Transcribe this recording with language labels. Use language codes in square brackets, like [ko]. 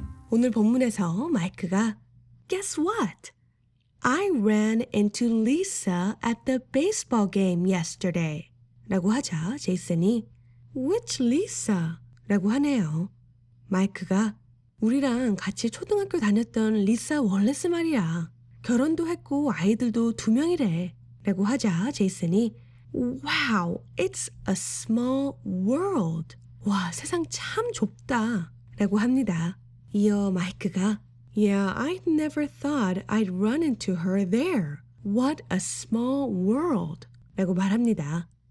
[ko] 오늘 본문에서 마이크가 [en] Guess what? I ran into Lisa at the baseball game yesterday. [ko] 라고 하자 제이슨이 [en] Which Lisa? [ko] 라고 하네요. 마이크가 우리랑 같이 초등학교 다녔던 리사 월레스 말이야. 결혼도 했고 아이들도 두 명이래. 라고 하자 제이슨이 [en] Wow, it's a small world. [ko] 와, 세상 참 좁다. 라고 합니다. 이어 마이크가 [en] Yeah, I never thought I'd run into her there. What a small world. [ko] 라고 말합니다.